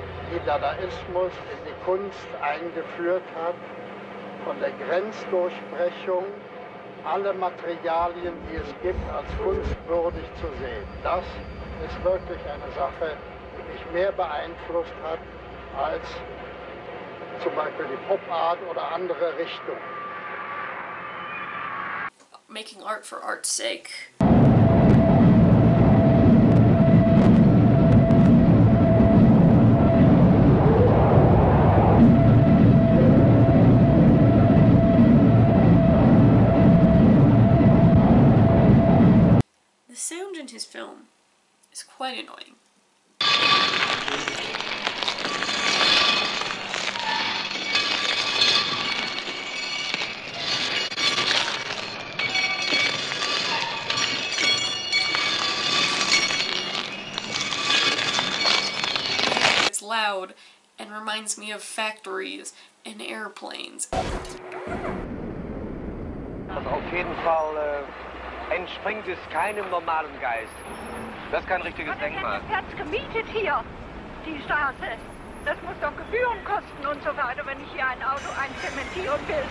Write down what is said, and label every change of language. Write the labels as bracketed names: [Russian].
[German] Die Dadaismus in die Kunst eingeführt hat, von der Grenzdurchbrechung alle Materialien, die es gibt, als kunstwürdig zu sehen. Das ist wirklich eine Sache, die mich mehr beeinflusst hat als zum Beispiel die Pop-Art oder andere Richtungen. [English] Making art for art's sake. Thank you. film is quite annoying. It's loud and reminds me of factories and airplanes. [German] Was auf jeden Fall entspringt es keinem normalen Geist. Das ist kein richtiges Denkmal. Der Platz gemietet hier, die Straße. Das muss doch Gebühren kosten und so weiter, wenn ich hier ein Auto einzementieren will.